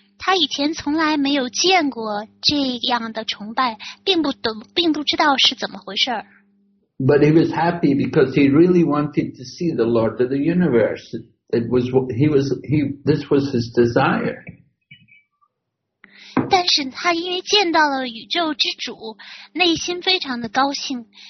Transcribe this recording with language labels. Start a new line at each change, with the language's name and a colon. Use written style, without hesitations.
Chinese: 他以前从来没有见过这样的崇拜，并不知道是怎么回事。
English: But he was happy because he really wanted to see the Lord of the Universe. This was his desire.
Chinese: 但是他因为见到了宇宙之主，内心非常的高兴。